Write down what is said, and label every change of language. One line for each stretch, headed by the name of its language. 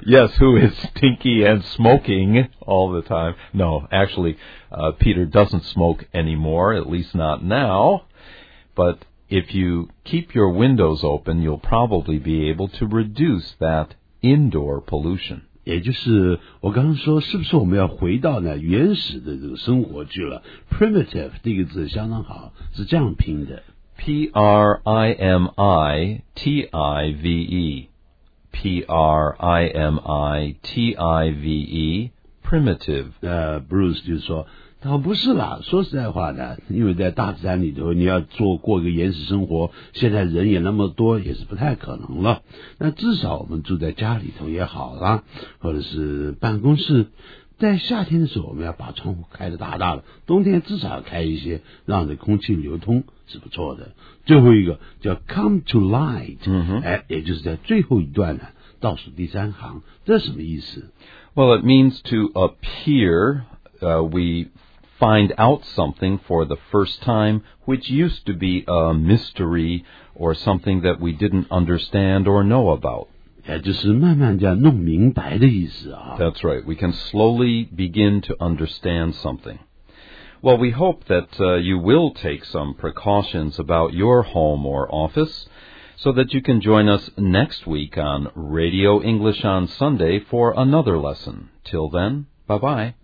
English: Yes, who is stinky and smoking all the time. No, actually, Peter doesn't smoke anymore, at least not now. But if you keep your windows open, you'll probably be able to reduce that indoor pollution.
Chinese: 也就是我刚刚说，是不是我们要回到呢原始的这个生活去了 ？Primitive 这个字相当好，是这样拼的。
English: Primitive, primitive, primitive.
Chinese: Bruce 就说，他说不是啦，说实在话呢，因为在大自然里头，你要做过一个原始生活，现在人也那么多，也是不太可能了。那至少我们住在家里头也好啦，或者是办公室。在夏天的时候，我们要把窗户开得大大的，冬天至少要开一些，让这空气流通是不错的。最后一个叫
English: come to light，
Chinese: 也就是在最后一段呢，倒数第三行，这什么意思
English: ？Well, it means to appear. We find out something for the first time, which used to be a mystery or something that we didn't understand or know about.
Chinese: 也就是慢慢地弄明白的意思啊。
English: That's right. We can slowly begin to understand something. Well, we hope that you will take some precautions about your home or office so that you can join us next week on Radio English on Sunday for another lesson. Till then, bye-bye.